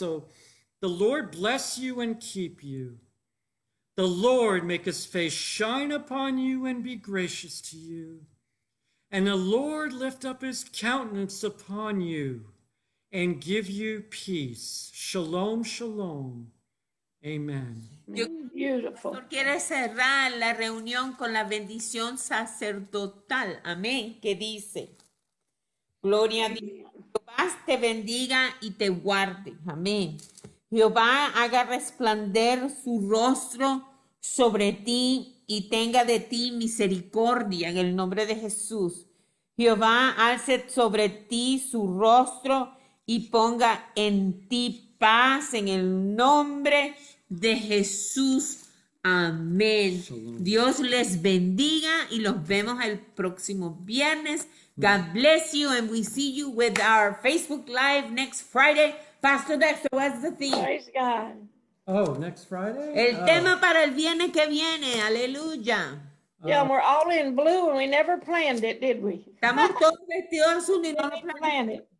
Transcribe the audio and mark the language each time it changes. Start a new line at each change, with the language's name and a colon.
English: So the Lord bless you and keep you. The Lord make his face shine upon you and be gracious to you. And the Lord lift up his countenance upon you and give you peace. Shalom, shalom. Amen. Beautiful.
Spanish: Quiere cerrar la reunión con la bendición sacerdotal. Amén. Que dice, Gloria a Dios. Jehová te bendiga y te guarde. Amén. Jehová haga resplandecer su rostro sobre ti y tenga de ti misericordia en el nombre de Jesús. Jehová alce sobre ti su rostro y ponga en ti paz en el nombre de Jesús. Amén. Dios les bendiga y los vemos el próximo viernes.
English: God bless you and we see you with our Facebook Live next Friday. Pastor Dexter, what's the theme? Praise God. Oh, next Friday?
Spanish: El tema para el viernes que viene. Aleluya.
English: Yeah, and we're all in blue and we never planned it, did we?
Spanish: Estamos todos vestidos azul y no lo planeamos.